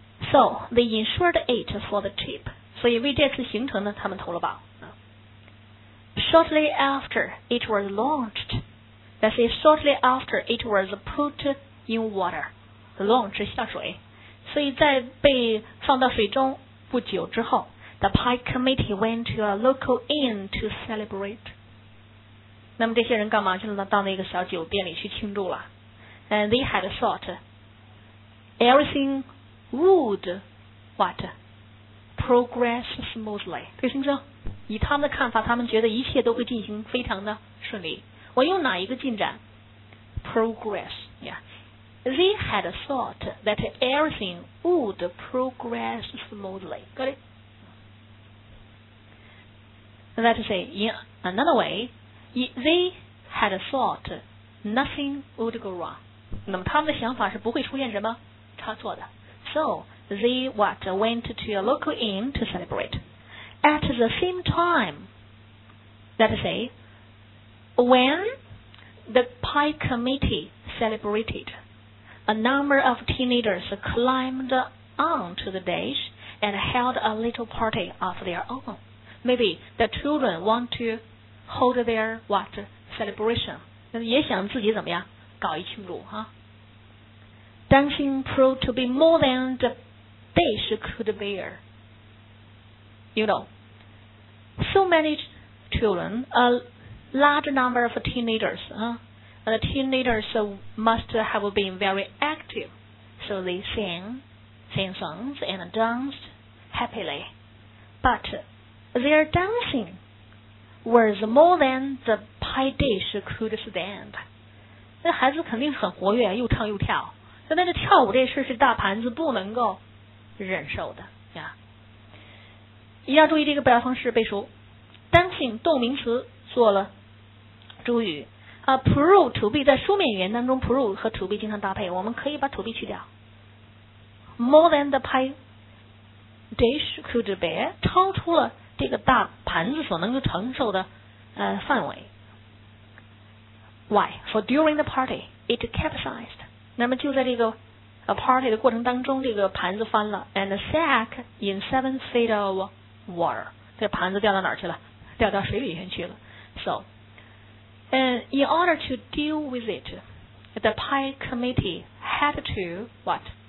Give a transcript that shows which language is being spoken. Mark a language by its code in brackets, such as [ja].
[en] So, they insured it for the trip. [zh] 所以为这次行程呢，他们投了保。 [en] Shortly after it was launched, let's say shortly after it was put in water. [zh] Launch, 下水。所以在被放到水中不久之后 [en] the pie committee went to a local inn to celebrate. [zh] 那么这些人干嘛去了？到那个小酒店里去庆祝了。 And they had thought everything would what progress smoothly. 对，先生，以他们的看法，他们觉得一切都会进行非常的顺利。我用哪一个进展 [en] ？Progress. Yeah. They had thought that everything would progress smoothly. Got it? Let's say in another way. They had thought nothing would go wrong. [zh] 那么他们的想法是不会出现什么差错的。 [en] So they what went to a local inn to celebrate. At the same time, let's say, when the Pi committee celebrated, a number of teenagers climbed onto the dais and held a little party of their own. Maybe the children want to hold their what celebration. [zh] 也想自己怎么样搞一庆祝哈。 [en] Dancing proved to be more than the dish could bear. You know, so many children, a large number of teenagers, the teenagers must have been very active. So they sang songs and danced happily. But their dancing was more than the pie dish could stand. [zh] 那孩子肯定很活跃，又唱又跳。但是跳舞这事是大盘子不能够忍受的呀。一定要注意这个表达方式背熟。 Dancing 动名词做了主语。 [en] Prove to be [zh] 在书面语言当中 prove 和 to be 经常搭配，我们可以把 to be 去掉。 [en] More than the pie dish could bear [zh] 超出了这个大盘子所能够承受的范围。 [en] Why? For during the party, it capsized. [zh] 那么就在这个 party 的过程当中，这个盘子翻了 [en] and sank in 7 feet of water. [zh] 这盘子掉到哪儿去了？掉到水里面去了。 [en] So, and in order to deal with it, the pie committee had to what?